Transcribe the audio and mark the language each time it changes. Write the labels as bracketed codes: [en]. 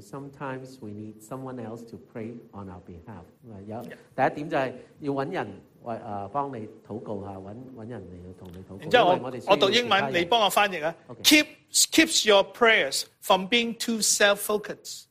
[en] Sometimes we need someone else to pray on our behalf. [yue] 第一点就係要搵人帮你祷告下，搵人嚟同你祷告。然之后我读英文，你帮我翻译。 [en] Keeps your prayers from being too self-focused.